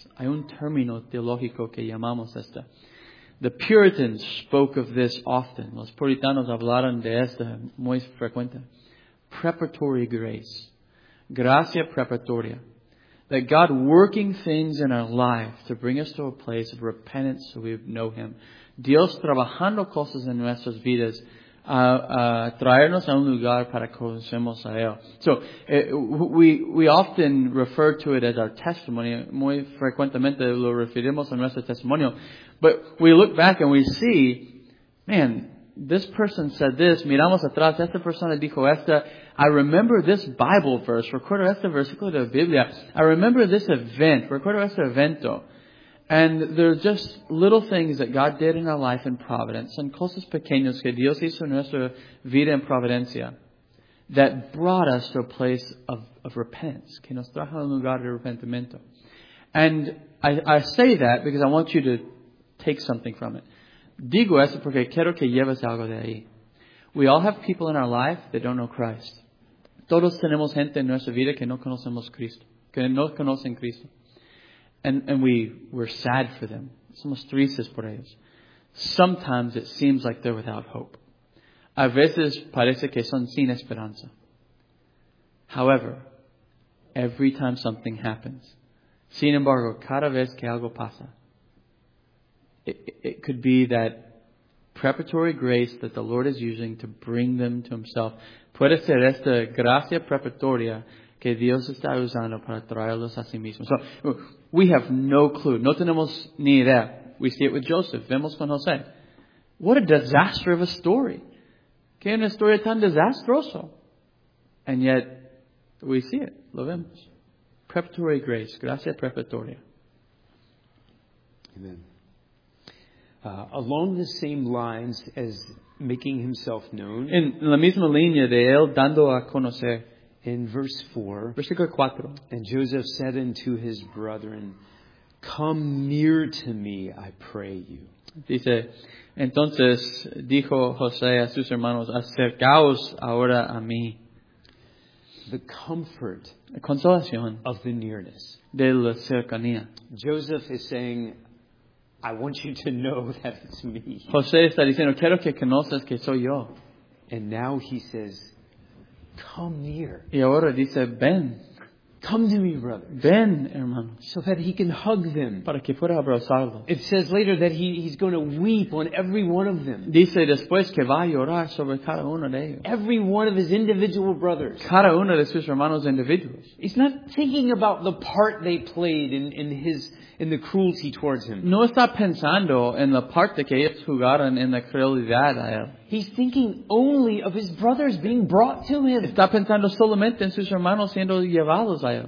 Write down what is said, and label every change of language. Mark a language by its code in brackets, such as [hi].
[es] Hay un término teológico que llamamos esta. [en] The Puritans spoke of this often. [es] Los puritanos hablaron de esta muy frecuente. [en] Preparatory grace. [es] Gracia preparatoria. [en] That God working things in our life to bring us to a place of repentance so we know Him. [es] Dios trabajando cosas en nuestras vidas a traernos a un lugar para conocernos a Él. [en] So, we often refer to it as our testimony. [es] Muy frecuentemente lo referimos a nuestro testimonio. [en] But we look back and we see, man, this person said this. [es] Miramos atrás. Esta persona dijo esta. [en] I remember this Bible verse. [es] Recuerdo este versículo de la Biblia. [en] I remember this event. [es] Recuerdo este evento. [en] And there are just little things that God did in our life in providence. [es] And cosas pequeñas que Dios hizo en nuestra vida en providencia. [en] That brought us to a place of repentance. [es] Que nos trajo a un lugar de arrepentimiento. [en] And I say that because I want you to take something from it. [es] Digo eso porque quiero que lleves algo de ahí. [en] We all have people in our life that don't know Christ. [es] Todos tenemos gente en nuestra vida que no conocemos Cristo, que no conocen Cristo. [en] And we're sad for them. [es] Somos tristes por ellos. [en] Sometimes it seems like they're without hope. [es] A veces parece que son sin esperanza. [en] However, every time something happens, [es] sin embargo, cada vez que algo pasa, [en] it could be that preparatory grace that the Lord is using to bring them to Himself. [es] Puede ser esta gracia preparatoria que Dios está usando para traerlos a sí mismo. [en] So, we have no clue. [es] No tenemos ni idea. [en] We see it with Joseph. [es] Vemos con José. [en] What a disaster of a story. [es] Que una historia tan desastroso. [en] And yet, we see it. [es] Lo vemos. [en] Preparatory grace. [es] Gracia preparatoria. [en] Amen. Along the same lines as making Himself known. [es] En la misma línea de él dando a conocer. [en] In verse 4. [es] Versículo 4. [en] And Joseph said unto his brethren, come near to me, I pray you. [es] Dice, entonces dijo José a sus hermanos, acercaos ahora a mí. [en] The comfort. [es] La consolación. [en] Of the nearness. [es] De la cercanía. [en] Joseph is saying, I want you to know that it's me. [es] José está diciendo, quiero que conozcas que soy yo. [en] And now he says, come near. [es] Y ahora dice, ven. [en] Come to me, brothers. [es] Ven, hermano. [en] So that he can hug them. [es] Para que pueda abrazarlos. [en] It says later that he's going to weep on every one of them. [es] Dice después que va a llorar sobre cada uno de ellos. [en] Every one of his individual brothers. [es] Cada uno de sus hermanos individuos. [en] He's not thinking about the part they played in the cruelty towards him. [es] No está pensando en la parte que ellos jugaron en la crueldad a él. [en] He's thinking only of his brothers being brought to him. [es] Está pensando solamente en sus hermanos siendo llevados a él.